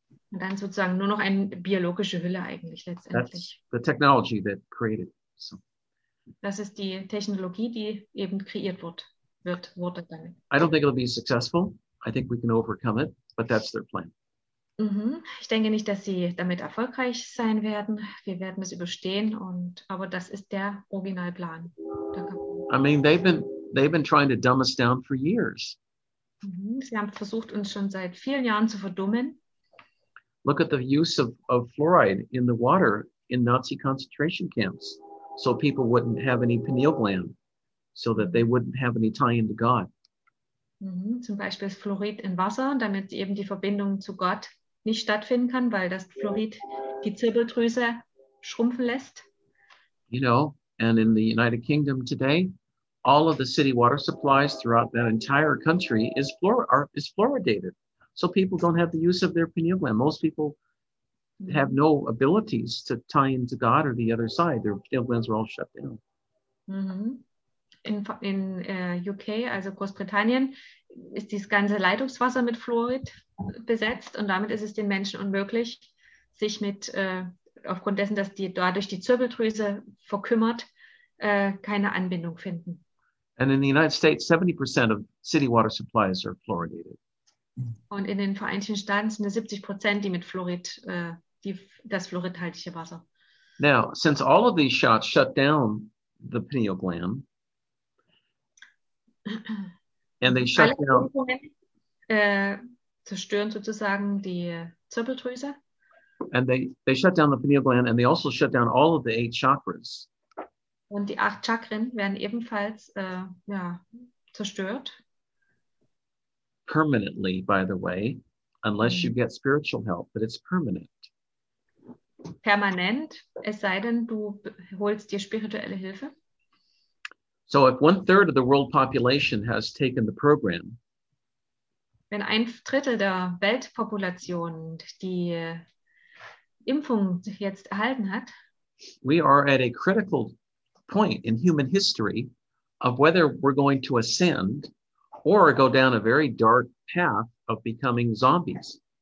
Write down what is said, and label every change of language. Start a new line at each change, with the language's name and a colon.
German: Und dann sozusagen nur noch eine biologische Hülle eigentlich letztendlich.
English: That's the technology that created. So.
German: Das ist die Technologie, die eben kreiert wurde damit.
English: I don't think it'll be successful. I think we can overcome it, but that's their plan. Mm-hmm.
German: Ich denke nicht, dass sie damit erfolgreich sein werden. Wir werden es überstehen, aber das ist der Originalplan.
English: I mean, they've been trying to dumb us down for years. Mm-hmm.
German: Sie haben versucht, uns schon seit vielen Jahren zu verdummen.
English: Look at the use of fluoride in the water in Nazi concentration camps, so people wouldn't have any pineal gland, so that they wouldn't have any tie-in to God. Mm-hmm.
German: Zum Beispiel ist Fluorid in Wasser, damit eben die Verbindung zu Gott nicht stattfinden kann, weil das Fluorid die Zirbeldrüse schrumpfen lässt.
English: You know, and in the United Kingdom today, all of the city water supplies throughout that entire country is fluoridated. So people don't have the use of their pineal gland. Most people have no abilities to tie into God or the other side. Their pineal glands are all shut down. Mm-hmm.
German: In UK, also Großbritannien, ist dieses ganze Leitungswasser mit Fluorid besetzt und damit ist es den Menschen unmöglich, sich mit, aufgrund dessen, dass die dadurch die Zirbeldrüse verkümmert, keine Anbindung finden.
English: And in the United States, 70% of city water supplies are fluoridated.
German: Und in den Vereinigten Staaten sind es 70%, die mit Fluorid, das fluoridhaltige Wasser.
English: Now, since all of these shots shut down the pineal gland, and they shut down.
German: Zerstören sozusagen die Zirbeldrüse.
English: And they shut down the pineal gland, and they also shut down all of the eight chakras.
German: Und die 8 Chakren werden ebenfalls zerstört.
English: Permanently, by the way, unless you get spiritual help, but it's permanent.
German: Permanent, es sei denn, du holst dir spirituelle Hilfe.
English: So if 1/3 of the world population has taken the program,
German: wenn 1/3 der Weltpopulation die Impfung jetzt erhalten hat,
English: we are at a critical point in human history of whether we're going to ascend or go down a very dark path of becoming zombies.